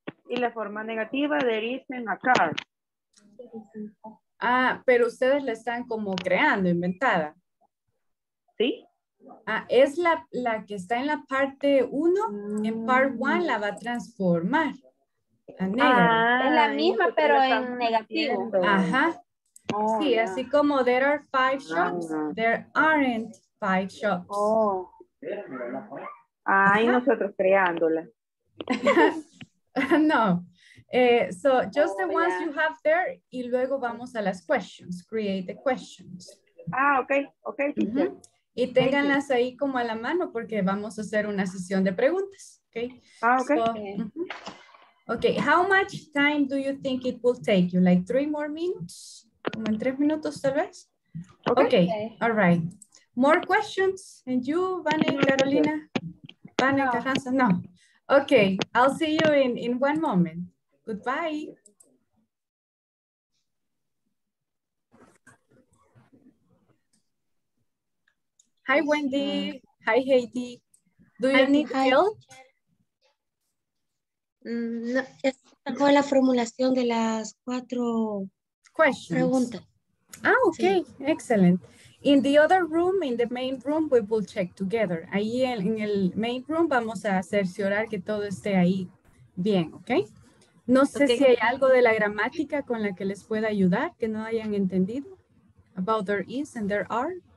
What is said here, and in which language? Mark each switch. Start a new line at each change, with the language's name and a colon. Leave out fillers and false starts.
Spanish: Y la forma negativa,
English: there isn't a car.
Spanish: Ah, pero ustedes la están como creando, inventada. Sí. Ah, es la que está en la parte 1, mm, en part 1 la va a transformar. A negro. Ah, es la misma, pero en negativo. Ajá. Oh, sí, yeah, así como
English: there are 5 shops,
Spanish: no.
English: There aren't 5 shops.
Spanish: Oh. Ah, y nosotros creándola.
English: No, so just the ones, yeah, you have there,
Spanish: y luego vamos a las questions,
English: create the questions. Ah, okay, okay. Mm-hmm.
Spanish: Y ténganlas ahí como a la mano porque vamos a hacer una sesión de preguntas, okay?
English: Ah, okay. So, mm-hmm. Okay, how much time do you think it will take you? Like 3 more minutes?
Spanish: Como en 3 minutos tal vez?
English: Okay. Okay, all right. More questions? And you, Vane, Carolina? Vane, no. Carranza? No. Okay, I'll see you in one moment. Goodbye. Hi, Wendy. Hi, Heidi. Do you need help?
Spanish: No, sacó la formulación de las 4
English: questions.
Spanish: Preguntas.
English: Ah, okay, sí, excellent. In the other room, in the main room, we will check together.
Spanish: Ahí en el main room vamos a cerciorar que todo esté ahí bien, ¿ok? No sé, okay, si hay algo de la gramática con la que les pueda ayudar, que no hayan entendido.
English: About there is and there are.